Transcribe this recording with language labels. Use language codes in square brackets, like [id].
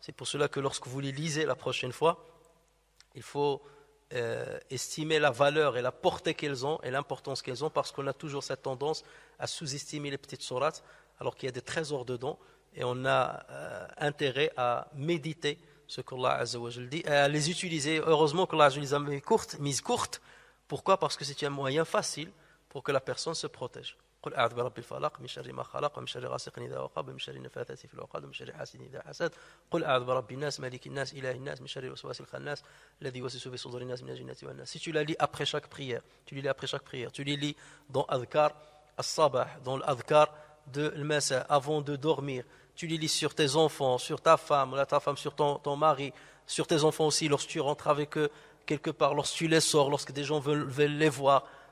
[fr] C'est pour cela que lorsque vous les lisez la prochaine fois, il faut estimer la valeur et la portée qu'elles ont et l'importance qu'elles ont, parce qu'on a toujours cette tendance à sous-estimer les petites sourates alors qu'il y a des trésors dedans, et on a intérêt à méditer ce qu'Allah Azza wa Jal dit et à les utiliser. Heureusement qu'Allah Azza wa Jal les a mises courtes. Pourquoi? Parce que c'est un moyen facile pour que la personne se protège. [ar] قل أعوذ برب الفلق من شر ما خلق ومن شر غاسق إذا وقب ومن شر النفاثات في العقد ومن شر حاسد إذا حسد قل أعوذ برب الناس مالك الناس إله الناس من شر الوسواس الخناس الذي يوسوس في صدور الناس من الجنة والناس. [fr] Si tu la lis après chaque prière, tu les lis dans l'adhkar al-sabah, dans l'adhkar de l'masa, avant de dormir, tu les lis sur tes enfants, sur ta femme, ou ta femme, sur ton mari, sur tes enfants aussi, lorsque tu rentres avec eux quelque part, lorsque tu les sors, lorsque des gens veulent les voir.